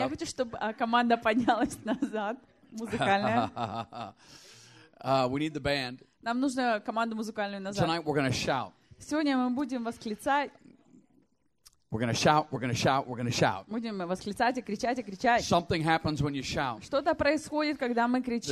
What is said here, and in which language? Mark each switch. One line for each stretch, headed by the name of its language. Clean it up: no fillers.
Russian: Я хочу, чтобы команда поднялась назад, музыкальная.
English: We need the band.
Russian: Нам нужно команду музыкальную назад.
English: Tonight we're going to shout.
Russian: Сегодня мы будем восклицать.
English: We're going to shout, we're going to shout, we're going to shout.
Russian: Будем восклицать и кричать, и кричать.
English: Something happens when you shout.
Russian: Что-то происходит, когда мы кричим.